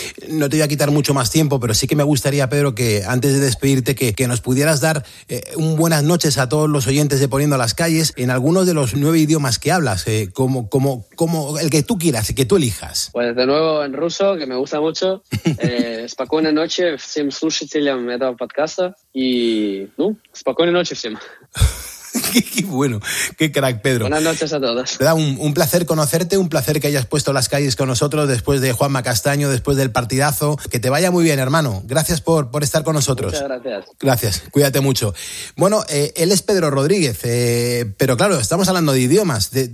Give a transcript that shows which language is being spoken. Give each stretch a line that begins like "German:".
Spanish: No te voy a quitar mucho más tiempo, pero sí que me gustaría, Pedro, que antes de despedirte, que nos pudieras dar un buenas noches a todos los oyentes de Poniendo las Calles en algunos de los 9 idiomas que hablas, como el que tú quieras, que tú elijas. Pues de nuevo en ruso, que me gusta mucho.
Russian: Спокойной ночи всем слушателям этого подкаста.
Spanish: Y,
Russian: спокойной ночи всем.
Spanish: Qué bueno, qué crack, Pedro. Buenas noches a todos. Me da un placer conocerte, un placer que hayas puesto las calles con nosotros después de Juanma Castaño, después del partidazo. Que te vaya muy bien, hermano. Gracias por estar con nosotros. Muchas gracias. Gracias, cuídate mucho. Bueno, él es Pedro Rodríguez, pero claro, estamos hablando de idiomas.